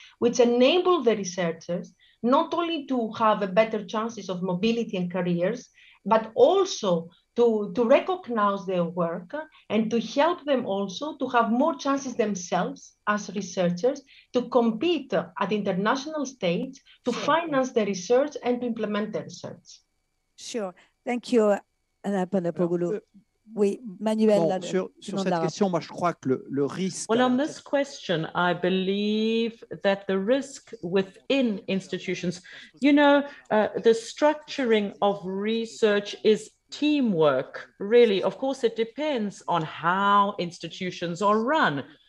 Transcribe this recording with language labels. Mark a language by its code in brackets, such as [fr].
[en] which enable the researchers not only to have a better chances of mobility and careers, but also to recognize their work and to help them also to have more chances themselves as researchers to compete at international stage, to sure. finance the research and to implement the research. Sure. Thank you, Anna Panagopoulou. Oui, Manuel. [fr] Bon, sur cette question, moi, je crois que le risque... [en] Well, on this question, I believe that the risk within institutions, you know, the structuring of research is teamwork, really. Of course, it depends on how institutions are run.